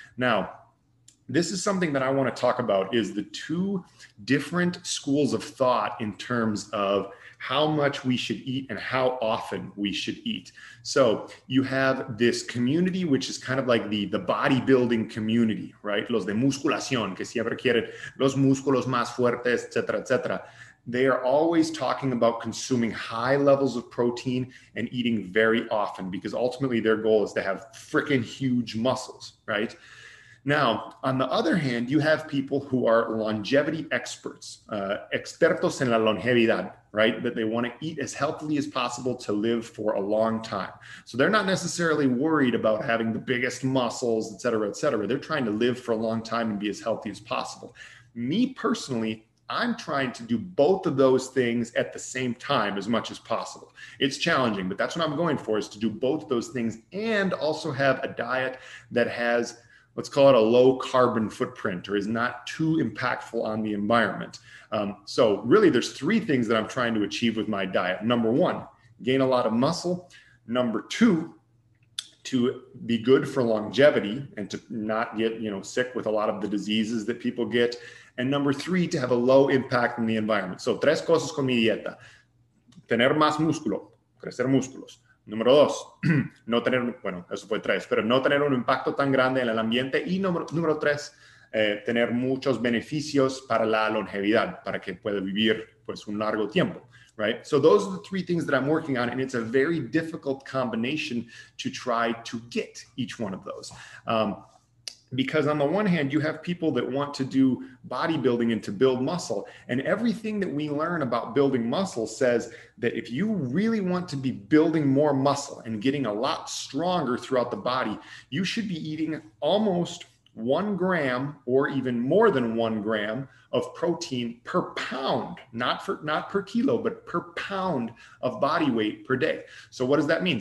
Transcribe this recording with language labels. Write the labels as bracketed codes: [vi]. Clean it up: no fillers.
[en] Now, this is something that I want to talk about, is the two different schools of thought in terms of how much we should eat and how often we should eat. So you have this community, which is kind of like the bodybuilding community, right? [es] Los de musculación, que siempre quieren los músculos más fuertes, etc., etc. [en] They are always talking about consuming high levels of protein and eating very often, because ultimately their goal is to have freaking huge muscles, right? Now, on the other hand, you have people who are longevity experts, [es] expertos en la longevidad, [en] right? That they want to eat as healthily as possible to live for a long time. So they're not necessarily worried about having the biggest muscles, et cetera, et cetera. They're trying to live for a long time and be as healthy as possible. Me personally, I'm trying to do both of those things at the same time as much as possible. It's challenging, but that's what I'm going for, is to do both of those things and also have a diet that has, let's call it, a low carbon footprint, or is not too impactful on the environment. So really there's three things that I'm trying to achieve with my diet. Number one, gain a lot of muscle. Number two, to be good for longevity and to not get, you know, sick with a lot of the diseases that people get. And number three, to have a low impact on the environment. [es] So tres cosas con mi dieta: tener más músculo, crecer músculos. Número dos, no tener, bueno, eso fue tres, pero no tener un impacto tan grande en el ambiente. Y número tres, tener muchos beneficios para la longevidad, para que pueda vivir pues un largo tiempo, right? [en] So those are the three things that I'm working on, and it's a very difficult combination to try to get each one of those. Because on the one hand, you have people that want to do bodybuilding and to build muscle. And everything that we learn about building muscle says that if you really want to be building more muscle and getting a lot stronger throughout the body, you should be eating almost 1 gram or even more than 1 gram of protein per pound, not per kilo, but per pound of body weight per day. So what does that mean?